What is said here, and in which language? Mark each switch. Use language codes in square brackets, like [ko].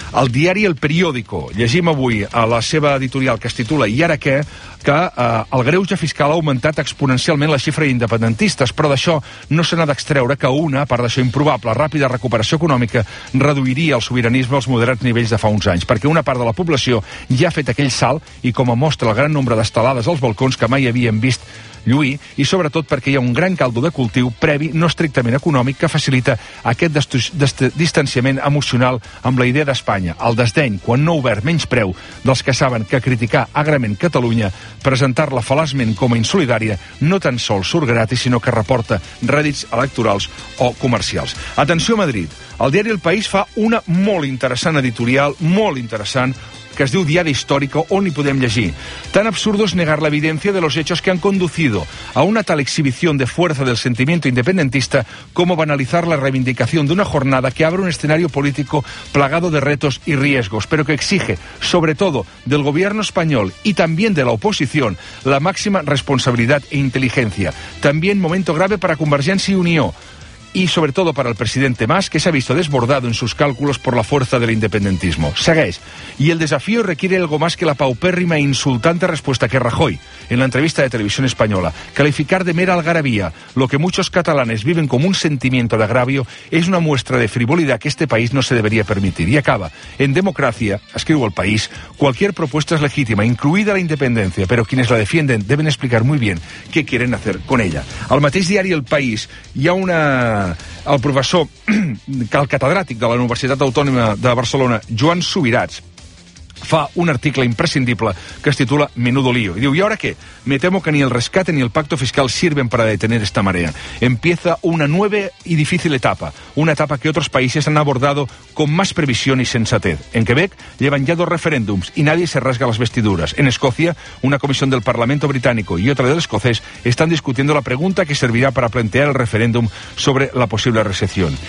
[ca] El diari El Periódico, llegim avui a la seva editorial, que es titula I ara què?, que el greuge fiscal ha augmentat exponencialment la xifra d'independentistes, però d'això no se n'ha d'extreure que una, a part d'això improbable, ràpida recuperació econòmica reduiria el sobiranisme als moderats nivells de fa uns anys, perquè una part de la població ja ha fet aquell salt, i com a mostra el gran nombre d'estelades als balcons que mai havien vist lluir, i sobretot perquè hi ha un gran caldo de cultiu previ, no estrictament econòmic, que facilita aquest distanciament emocional amb la idea d'Espanya, el desdeny, quan no obert, menyspreu dels que saben que criticar agrament Catalunya, presentar-la falaçment com a insolidària, no tan sols surt gratis, sinó que reporta rèdits electorals o comercials. Atenció, Madrid. El diari El País fa una molt interessant editorial, molt interessant, que es diu Diada Histórica, on hi podem llegir: [es] tan absurdo es negar la evidencia de los hechos que han conducido a una tal exhibición de fuerza del sentimiento independentista como banalizar la reivindicación de una jornada que abre un escenario político plagado de retos y riesgos, pero que exige, sobre todo, del gobierno español y también de la oposición, la máxima responsabilidad e inteligencia. También momento grave para Convergencia y Unió, y sobre todo para el presidente Mas, que se ha visto desbordado en sus cálculos por la fuerza del independentismo. [ca] Segueix: [es] y el desafío requiere algo más que la paupérrima e insultante respuesta que Rajoy, en la entrevista de Televisión Española, calificar de mera algarabía lo que muchos catalanes viven como un sentimiento de agravio, es una muestra de frivolidad que este país no se debería permitir. Y acaba: en democracia, escribo El País, cualquier propuesta es legítima, incluida la independencia, pero quienes la defienden deben explicar muy bien qué quieren hacer con ella. [ca] Al mateix diari El País hi ha una el professor, el catedràtic de la Universitat Autònoma de Barcelona, Joan Subirats, fa un article imprescindible que es titula Menudo lío. I diu, [es] ¿y ahora qué? Me temo que ni el rescate ni el pacto fiscal sirven para detener esta marea. Empieza una nueva y difícil etapa, una etapa que otros países han abordado con más previsión y sensatez. En Quebec llevan ya dos referéndums y nadie se rasga las vestiduras. En Escocia, una comisión del Parlamento británico y otra del escocés están discutiendo la pregunta que servirá para plantear el referéndum sobre la posible recesión.